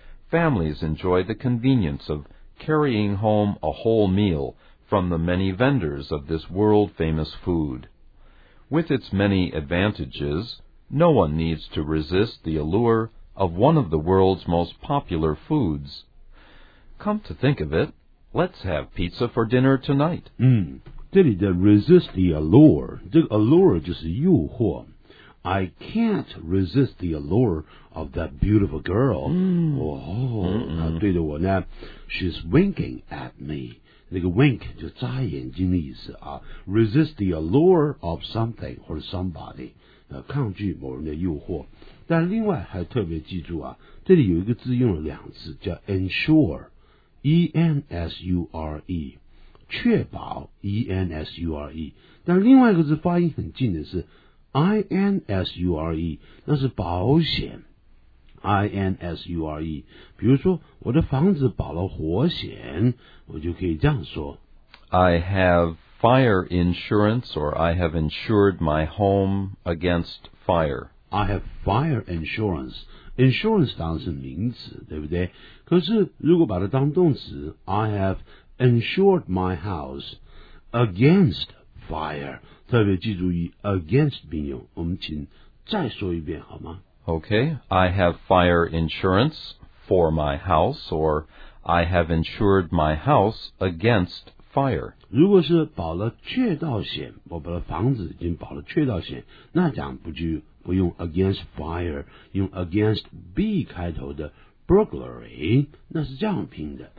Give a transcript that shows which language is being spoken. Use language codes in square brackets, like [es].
[en] families enjoy the convenience of carrying home a whole meal from the many vendors of this world-famous food. With its many advantages, no one needs to resist the allure of one of the world's most popular foods. Come to think of it, let's have pizza for dinner tonight. [zh] 这里的 [en] resist the allure, [zh] 这个 allure 就是诱惑。 [en] I can't resist the allure of that beautiful girl. Mm-hmm. Oh, mm-hmm. She's winking at me. [zh] 那个 wink 就眨眼睛的意思啊。 [en] Resist the allure of something or somebody. [zh] 抗拒某人的诱惑。但另外还特别记住啊，这里有一个字用了两次，叫 ensure, E-N-S-U-R-E, 确保 E-N-S-U-R-E。但另外一个字发音很近的是 I-N-S-U-R-E, 那是保险 ,I-N-S-U-R-E。比如说我的房子保了火险，我就可以这样说。 [en] I have... Fire insurance, or I have insured my home against fire. I have fire insurance. [zh] Insurance 当然是名词，对不对？可是如果把它当动词 ， [en] I have insured my house against fire. [zh] 特别记住以 against 并用。我们请再说一遍好吗 [en] ？Okay, I have fire insurance for my house, or I have insured my house against fire. Fire. [zh] 如果是保了确盗险，我把房子已经保了确盗险，那讲不就不用 [en] against fire， [zh] 用 against B 开头的 burglary， 那是这样拼的